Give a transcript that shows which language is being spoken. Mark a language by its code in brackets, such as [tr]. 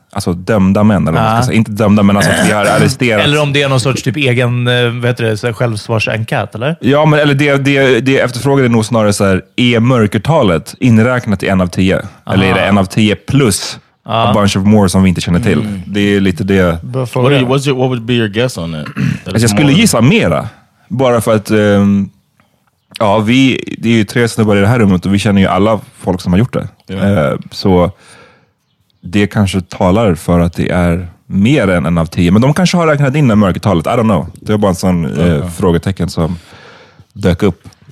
[sv] Alltså dömda män, eller man ska säga, inte dömda men alltså att vi har arresterats. Eller om det är någon sorts typ egen, vad heter det, självsvarsenkät, eller? Ja, men eller det efterfrågan är nog snarare så här, är mörkertalet inräknat i en av tio? Eller är det en av tio [en] plus a bunch of more [sv] som vi inte känner till? Det är lite det. [en] What would be your guess on it? [sv] Alltså, jag skulle gissa mera. Bara för att, ja, vi, det är ju tre snubbar i det här rummet och vi känner ju alla folk som har gjort det. Så... Det kanske talar för att det är mer än en av tio. Men de kanske har räknat in det mörkertalet. [en] I don't know. [sv] Det är bara en sån frågetecken som dök upp.